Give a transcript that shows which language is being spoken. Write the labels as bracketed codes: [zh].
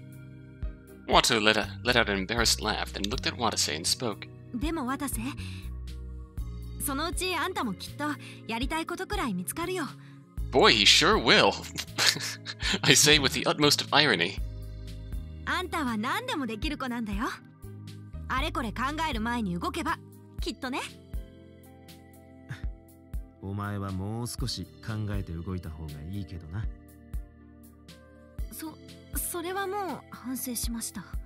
[ja] 何か見つかるかなと思ってな。そんな風に思ってくれてたの?あ、ちょっとな。私なんかでも、渡瀬に羨まれたりするんだ。 [en] Watase let out an embarrassed laugh, then looked at Watase and spoke. [ja] でも渡瀬、そのうちあんたもきっとやりたいことくらい見つかるよ。 [en] Boy, he sure will. I say with the utmost of irony. [ja] あんたは何でもできる子なんだよ。あれこれ考える前に動けば、きっとね。お前はもう少し考えて動いた方がいいけどな。それはもう反省しました。